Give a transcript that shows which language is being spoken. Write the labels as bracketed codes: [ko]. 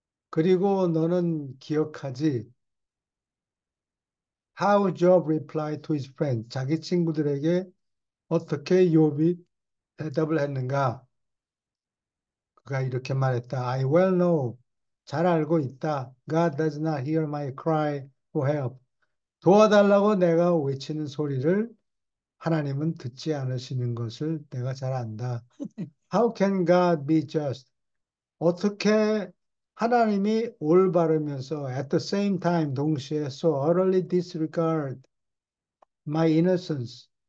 [ko] 그리고 너는 기억하지? [en] How Job replied to his friends. [ko] 자기 친구들에게 어떻게 욥이 대답을 했는가? 그가 이렇게 말했다. [en] I well know. [ko] 잘 알고 있다. [en] God does not hear my cry for help. [ko] 도와달라고 내가 외치는 소리를 하나님은 듣지 않으시는 것을 내가 잘 안다. [en] How can God be just? [ko] 어떻게 하나님이 올바르면서 [en] at the same time [ko] 동시에 [en] so utterly disregard my innocence.